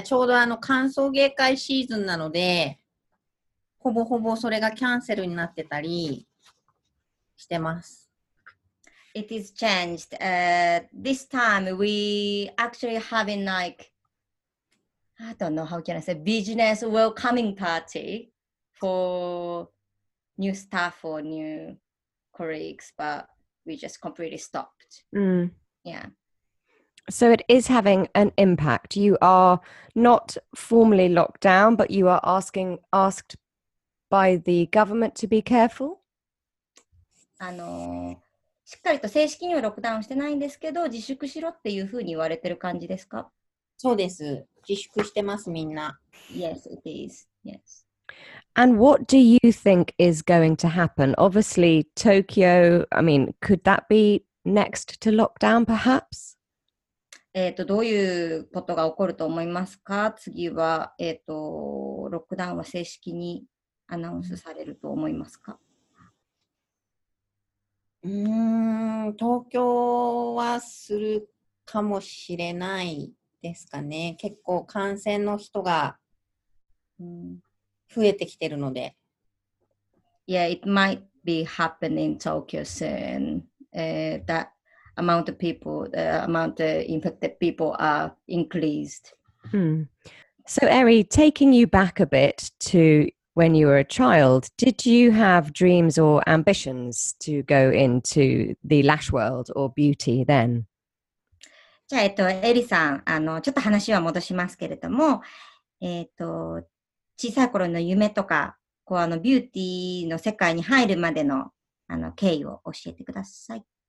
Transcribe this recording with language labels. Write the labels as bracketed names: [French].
[Japanese] ちょうど歓送迎会シーズンなので、ほぼほぼそれがキャンセルになってたりしてます。 [English] It is changed. This time we actually having like, I don't know how can I say, business welcoming party for new staff or new colleagues, but we just completely stopped. Mm. Yeah. So it is having an impact. You are not formally locked down, but you are asked by the government to be careful? [Japanese] しっかりと正式にはロックダウンしてないんですけど、自粛しろっていうふうに言われてる感じですか？そうです。自粛してます、みんな。 [English] Yes, it is. Yes. And what do you think is going to happen? Obviously, Tokyo, could that be next to lockdown, perhaps? [Japanese] どういうことが起こると思いますか？次は、ロックダウンは正式にアナウンスされると思いますか？東京はするかもしれないですかね。結構感染の人が…増えてきてるので [English] Yeah, it might be happening in Tokyo soon. That amount of people, the amount of infected people are increased. So, Eri, taking you back a bit to when you were a child, did you have dreams or ambitions to go into the lash world or beauty then? [Japanese] じゃあ、エリさん、ちょっと話は戻しますけれども、小さい頃の夢とか、こうビューティーの世界に入るまでの経緯を教えてください。